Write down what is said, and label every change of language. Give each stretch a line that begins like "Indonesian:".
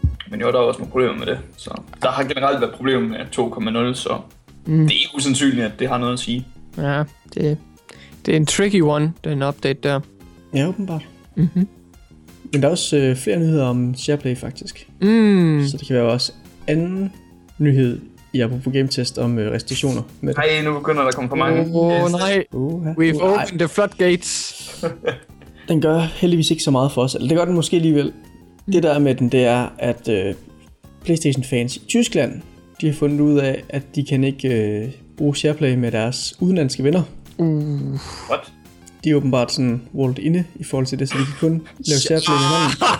Danish: Men jo, der var også nogle problemer med det. Så der har generelt været problemer med 2.0, så det er ikke usandsynligt, at det har noget at sige. Ja, det er en
English: tricky one,
Danish: den update der. Ja, åbenbart. Mm-hmm. Men der er også flere nyheder om SharePlay, faktisk. Mm. Så det kan være også anden nyhed i apropos gametest om restriktioner. Nej, nu begynder der at komme for mange.
English: Nej, we've opened the floodgates.
Danish: Den gør heldigvis ikke så meget for os. Eller det gør den måske alligevel. Det der med den, det er, at PlayStation-fans i Tyskland, de har fundet ud af, at de kan ikke bruge SharePlay med deres udenlandske venner.
English: What?
Danish: De er åbenbart sådan world inde i forhold til det, så de kan kun lave SharePlay med hinanden.